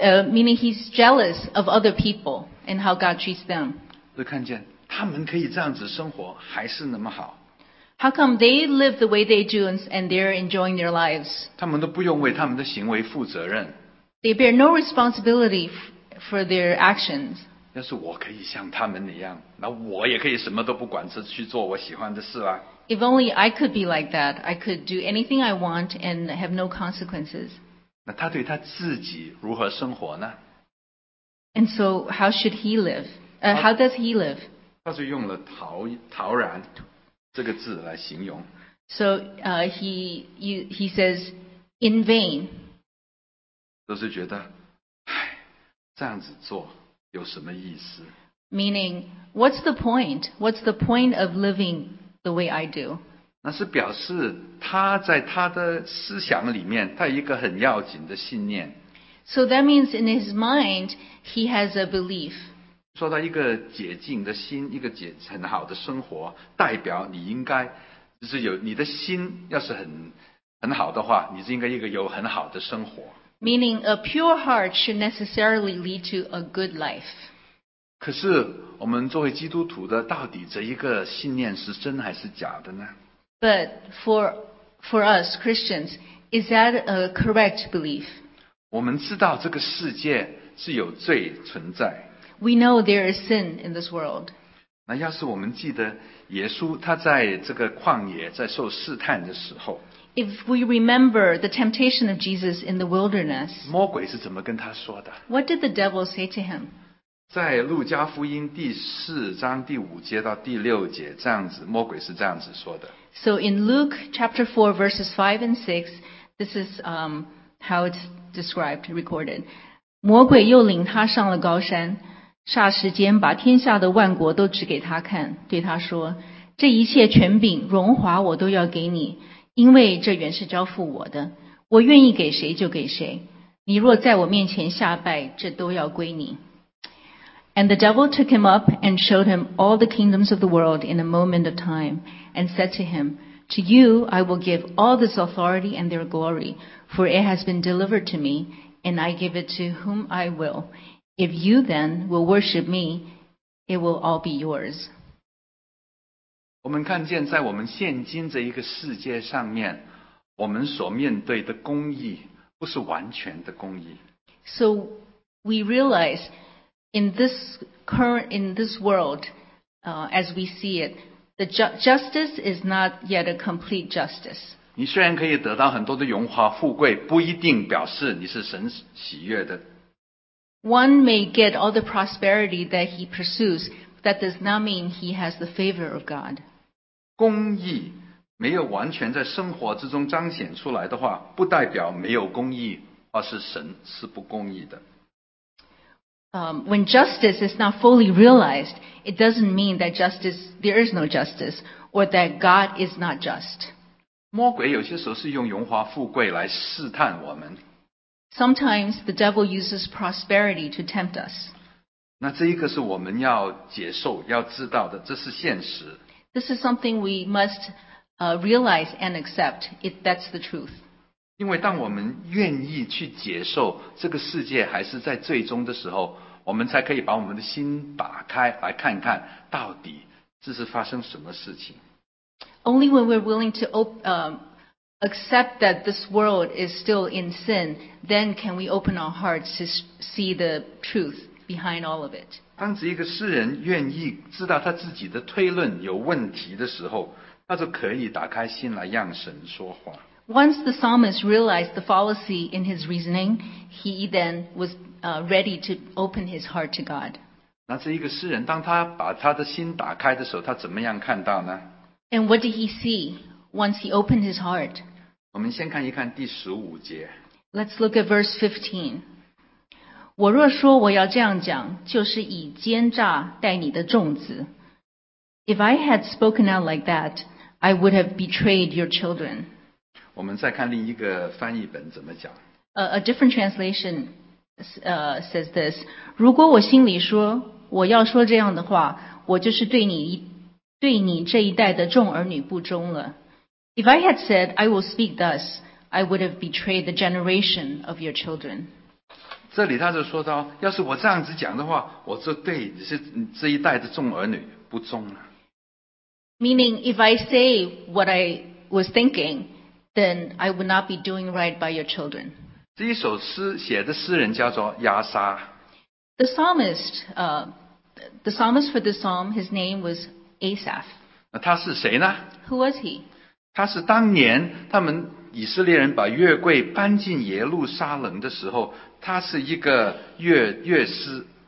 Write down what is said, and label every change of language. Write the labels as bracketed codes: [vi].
[en] Meaning he's jealous of other people and how God treats them. [zh] 就看见他们可以这样子生活，还是那么好。 [en] How come they live the way they do and they're enjoying their lives? [zh] 他们都不用为他们的行为负责任。 [en] They bear no responsibility for their actions. [zh] 要是我可以像他们那样，那我也可以什么都不管，去做我喜欢的事啦。 [en] If only I could be like that, I could do anything I want and have no consequences. [zh] 那他对他自己如何生活呢？ [en] And so how should he live? How does he live? [zh] 他就用了陶然。这个字来形容。 [en] So, he says, in vain. [zh] 都是觉得，唉，这样子做有什么意思？ [en] Meaning, what's the point? What's the point of living the way I do? [zh] 那是表示他在他的思想里面，他有一个很要紧的信念。 [en] So that means in his mind, he has a belief. [zh] 说到一个洁净的心，一个很好的生活，代表你应该就是有你的心，要是很好的话，你是应该一个有很好的生活。 [en] Meaning a pure heart should necessarily lead to a good life. [zh] 可是我们作为基督徒的，到底这一个信念是真还是假的呢？ [en] But for us Christians, is that a correct belief? [zh] 我们知道这个世界是有罪存在。 [en] We know there is sin in this world. [zh] 那要是我们记得耶稣他在这个旷野在受试探的时候， [en] If we remember the temptation of Jesus in the wilderness, [zh] 魔鬼是怎么跟他说的？ [en] What did the devil say to him? [zh] 在路加福音第四章第五节到第六节，这样子，魔鬼是这样子说的。 [en] So in Luke chapter 4 verses 5 and 6, this is how it's described, recorded. [zh] 魔鬼又领他上了高山，霎时间把天下的万国都指给他看，对他说，这一切权柄荣华我都要给你，因为这原是交付我的，我愿意给谁就给谁，你若在我面前下拜，这都要归你。 [en] And the devil took him up and showed him all the kingdoms of the world in a moment of time and said to him, To you I will give all this authority and their glory, for it has been delivered to me, and I give it to whom I willIf you then will worship me, it will all be yours. [zh] 我们看见在我们现今这一个世界上面，我们所面对的公义不是完全的公义。 [en] So we realize in this world, as we see it, the justice is not yet a complete justice. [zh] 你虽然可以得到很多的荣华富贵，不一定表示你是神喜悦的。 [en] One may get all the prosperity that he pursues, but that does not mean he has the favor of God. [zh] 公义没有完全在生活之中彰显出来的话，不代表没有公义，而是神是不公义的。 [en] When justice is not fully realized, it doesn't mean that there is no justice, or that God is not just. [zh] 魔鬼有些时候是用荣华富贵来试探我们。 [en] Sometimes the devil uses prosperity to tempt us. [zh] 那这一个是我们要接受、要知道的，这是现实。 [en] This is something we must realize and accept. That's the truth. [zh] 因为当我们愿意去接受这个世界还是在最终的时候，我们才可以把我们的心打开，来看看到底这是发生什么事情。 [en] Only when we're willing to accept that this world is still in sin, then can we open our hearts to see the truth behind all of it. [zh] 当一个世人愿意知道他自己的推论有问题的时候，他就可以打开心来让神说话。 [en] Once the psalmist realized the fallacy in his reasoning, he then was ready to open his heart to God. [zh] 那一个世人当他把他的心打开的时候，他怎么样看到呢？ [en] And what did he see once he opened his heart? [zh] 我们先看一看第十五节。 [en] Let's look at verse 15. [zh] 我若说我要这样讲，就是以奸诈待你的众子。 [en] If I had spoken out like that, I would have betrayed your children. [zh] 我们再看另一个翻译本怎么讲。 [en] A different translation says this. [zh] 如果我心里说，我要说这样的话，我就是对你这一代的众儿女不忠了。 [en] If I had said, I will speak thus, I would have betrayed the generation of your children. [zh] 这里他就说到，要是我这样子讲的话，我就对这一代的众儿女不忠了。 [en] Meaning, if I say what I was thinking, then I would not be doing right by your children. [zh] 这一首诗写的诗人叫做亚撒。 [en] The psalmist for this psalm, his name was Asaph. [zh] 那他是谁呢？ [en] Who was he? [zh] 他是当年他们以色列人把约柜搬进耶路撒冷的时候，他是一个乐师。